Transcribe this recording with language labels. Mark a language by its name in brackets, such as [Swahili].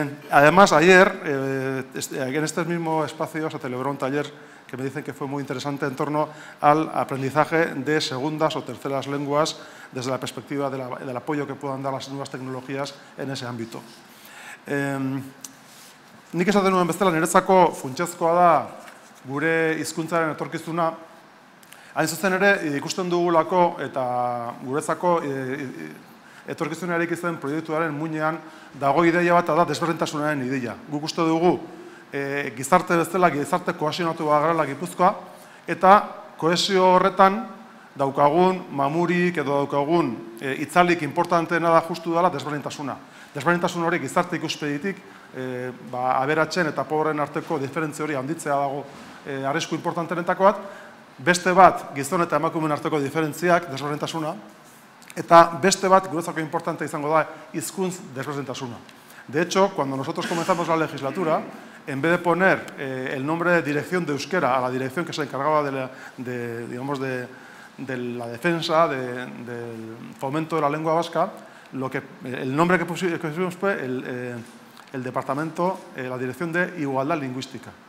[Spanish] Además, ayer, en este mismo espacio se celebró un taller que me dicen que fue muy interesante en torno al aprendizaje de segundas o terceras lenguas desde la perspectiva del apoyo que puedan dar las nuevas tecnologías en ese ámbito. [Basque] Nik esaten nuen bezala, niretzako funtsezkoa da gure hizkuntzaren etorkizuna, hain zuzen ere ikusten dugulako eta guretzako etorkizunarik izan proiektuaren muinean dago ideia bat da desberdintasunaren ideia. Guk uste dugu gizarte bezala, gizarte kohesionatu bat garela Gipuzkoa, eta kohesio horretan daukagun mamurik edo daukagun itzalik importanteena da justu dela desberdintasuna. Desberdintasun hori gizarte ikuspegitik, aberatzen eta pobren arteko diferentzia hori handitzea dago arrisku importantenetako bat, beste bat gizon eta emakumeen arteko diferentziak, desberdintasuna, eta beste bat guretzako importante izango da hizkuntz desberdintasuna. [Spanish] De hecho, cuando nosotros comenzamos la legislatura, en vez de poner el nombre de dirección de euskera a la dirección que se encargaba de la defensa, del fomento de la lengua vasca, el nombre que pusimos fue el departamento, la dirección de igualdad lingüística.